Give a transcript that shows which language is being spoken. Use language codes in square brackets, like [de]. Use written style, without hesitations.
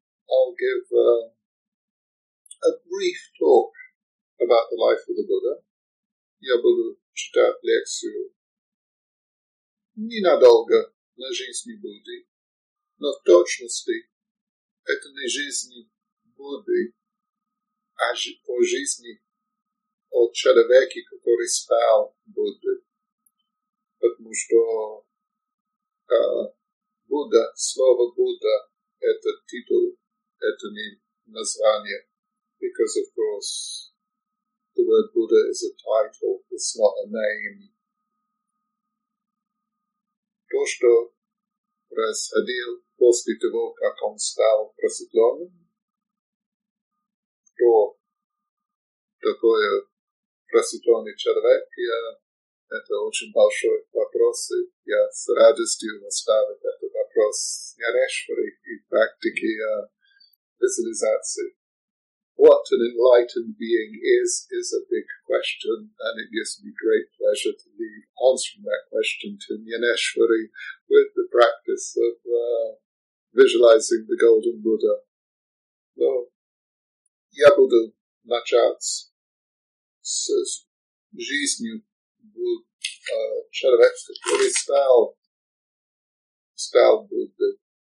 [en] I'll give a brief talk about the life of the Buddha. [ru] Я буду читать лекцию ненадолго на жизни Будды, но в точности это не жизни Будды, а о жизни о человеке, который стал Будды. Потому что Будда, слово Будда, это титул, это не название. [en] Because, of course, the word Buddha is a title, it's not a name. [ru] То, что происходил после того, как он стал просветленным, то такое просветленный человек, это очень большой вопрос, и я с радостью оставил этот вопрос Нярешвари и практики визуализации. [en] What an enlightened being is a big question, and it gives me great pleasure to be answering that question to Nyaneshwari with the practice of visualizing the Golden Buddha. [ru] So, я буду начать с жизнью человека, который стал Будды.